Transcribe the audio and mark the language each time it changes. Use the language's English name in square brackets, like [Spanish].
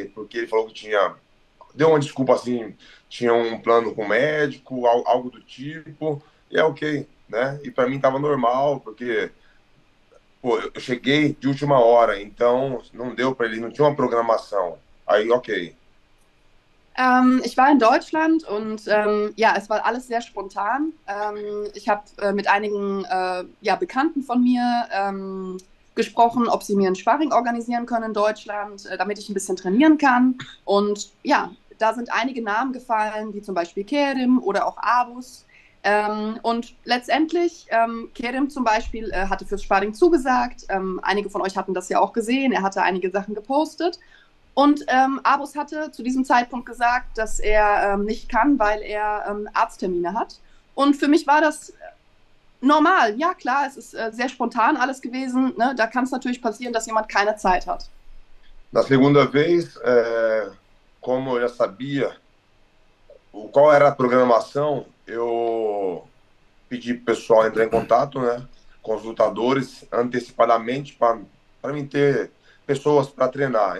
[Portuguese] Porque ele falou que deu uma desculpa assim, tinha um plano com o médico, algo do tipo. E é ok, né? E para mim tava normal, porque, pô, eu cheguei de última hora, então não deu para ele, não tinha uma programação. Aí, ok. [German] Ich war in Deutschland und ja, es war alles sehr spontan. Ich habe mit einigen ja, Bekannten von mir gesprochen, ob sie mir ein Sparring organisieren können in Deutschland, damit ich ein bisschen trainieren kann. Und ja, da sind einige Namen gefallen, wie zum Beispiel Kerim oder auch Abus. Und letztendlich, Kerim zum Beispiel hatte fürs Sparring zugesagt. Einige von euch hatten das ja auch gesehen. Er hatte einige Sachen gepostet. Und Abus hatte zu diesem Zeitpunkt gesagt, dass er nicht kann, weil er Arzttermine hat. Und für mich war das normal. Ja, klar, es ist sehr spontan alles gewesen, ne? Da kann es natürlich passieren, dass jemand keine Zeit hat. [Portuguese] Na segunda vez, como eu já sabia qual era a programação, eu pedi para o pessoal entrar em contato, né, com os lutadores antecipadamente para mim ter pessoas para treinar.